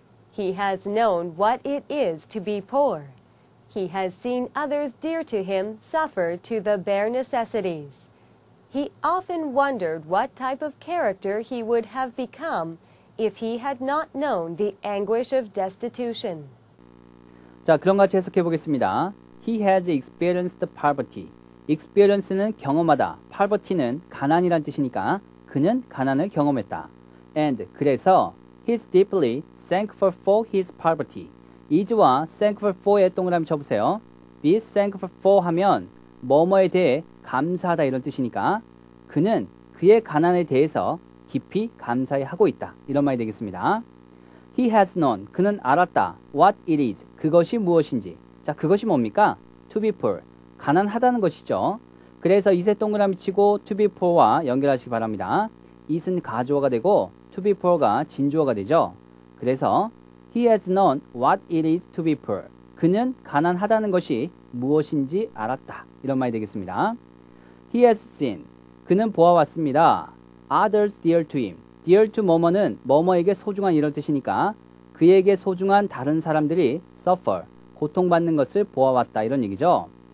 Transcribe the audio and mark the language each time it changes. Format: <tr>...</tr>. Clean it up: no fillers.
<en>He has known what it is to be poor. He has seen others dear to him suffer to the bare necessities. He often wondered what type of character he would have become if he had not known the anguish of destitution.</en> <ko>자, 그런 것 같이 해석해 보겠습니다.</ko> <en>He has experienced poverty. Experience는</en> <ko>경험하다. Poverty는 가난이란 뜻이니까 그는 가난을 경험했다.</ko> <en>And 그래서 he's deeply thankful for his poverty. is와 thankful for의</en> <ko>동그라미 쳐보세요.</ko> <en>Be thankful for 하면</en> <ko>뭐뭐에 대해 감사하다 이런 뜻이니까 그는 그의 가난에 대해서 깊이 감사해 하고 있다 이런 말이 되겠습니다.</ko> <en>He has known,</en> <ko>그는 알았다.</ko> <en>What it is,</en> <ko>그것이 무엇인지. 자, 그것이 뭡니까?</ko> <en>To be poor,</en> <ko>가난하다는 것이죠. 그래서 이세 동그라미 치고 to be poor와 연결하시기 바랍니다. is는 가조어가 되고 to be poor가 진조어가 되죠.</ko> <en>그래서 He has known what it is to be poor.</en> <ko>그는 가난하다는 것이 무엇인지 알았다. 이런 말이 되겠습니다.</ko> <en>He has seen,</en> <ko>그는 보아왔습니다.</ko> <en>Others dear to him.</en> <ko>Dear to 뭐뭐는 뭐뭐에게 소중한 이런 뜻이니까 그에게 소중한 다른 사람들이 suffer, 고통받는 것을 보아왔다 이런 얘기죠.</ko>